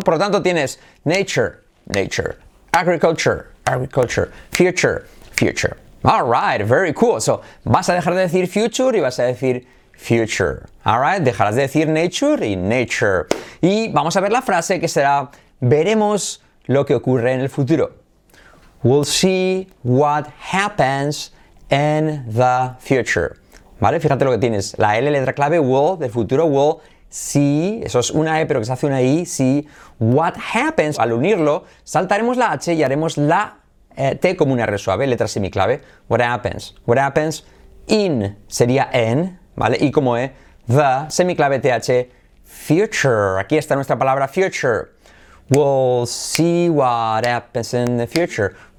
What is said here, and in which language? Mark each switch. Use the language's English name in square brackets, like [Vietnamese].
[Spanish] Por lo tanto, tienes nature. Agriculture. [English] Future. All right, very cool. [Spanish] So, vas a dejar de decir future y vas a decir future. Alright, dejarás de decir nature. Y vamos a ver la frase que será, veremos lo que ocurre en el futuro. [English] We'll see what happens in the future. [Spanish] ¿Vale? Fíjate lo que tienes. La L, letra clave, will, del futuro, [English] will see. [Spanish] Eso es una E, pero que se hace una I. [English] See what happens. [Spanish] Al unirlo, saltaremos la H y haremos la T como una R suave, letra semiclave. [English] What happens in, [Spanish] sería en, ¿vale? Y como E, the, semiclave TH, future. Aquí está nuestra palabra future. [English] We'll see what happens in the future.